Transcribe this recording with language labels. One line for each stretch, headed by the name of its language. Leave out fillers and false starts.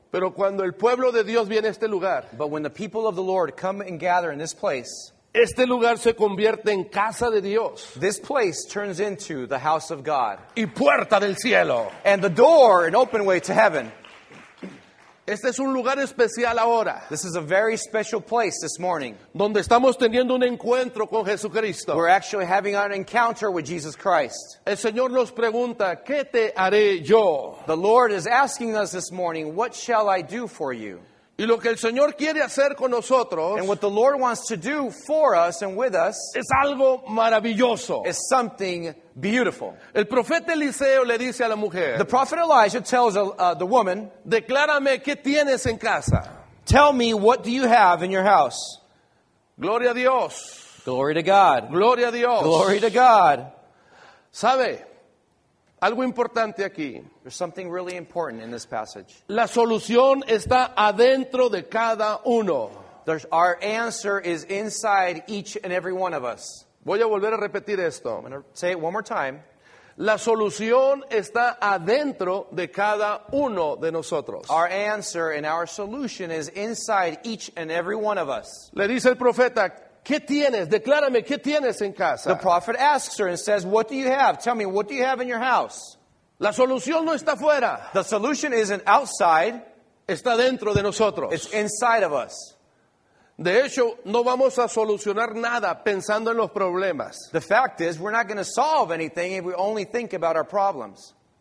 Spanish: Pero cuando el pueblo de Dios viene a este lugar.
English: But when the people of the Lord come and gather in this place.
Spanish: Este lugar se convierte en casa de Dios.
English: This place turns into the house of God.
Spanish: Y puerta del cielo.
English: And the door, an open way to heaven.
Spanish: Este es un lugar especial ahora.
English: This is a very special place this morning.
Spanish: Donde estamos teniendo un encuentro con Jesucristo.
English: We're actually having an encounter with Jesus Christ.
Spanish: El Señor nos pregunta, ¿qué te haré yo?
English: The Lord is asking us this morning, what shall I do for you?
Spanish: Y lo que el Señor quiere hacer con nosotros,
English: and what the Lord wants to do for us and with us,
Spanish: es algo maravilloso.
English: Is something beautiful.
Spanish: El profeta Eliseo le dice a la mujer,
English: the prophet Elijah tells the woman,
Spanish: declárame qué tienes en casa.
English: Tell me, what do you have in your house?
Spanish: Gloria a Dios.
English: Glory to God.
Spanish: Gloria a Dios.
English: Glory to God.
Spanish: ¿Sabe? Algo importante aquí.
English: There's something really important in this passage.
Spanish: La solución está adentro de cada uno.
English: Our answer is inside each and every one of us.
Spanish: Voy a volver a repetir esto.
English: I'm going to say it one more time.
Spanish: La solución está adentro de cada uno de nosotros.
English: Our answer and our solution is inside each and every one of us.
Spanish: Le dice el profeta, ¿qué tienes? Declárame, ¿qué tienes en casa?
English: The prophet asks her and says, what do you have? Tell me, what do you have in your house?
Spanish: La solución no está fuera.
English: The solution isn't outside.
Spanish: Está dentro de nosotros.
English: It's inside of us.
Spanish: De hecho, no vamos a solucionar nada pensando en los problemas.
English: The fact is, we're not going to solve anything if we only think about our problems.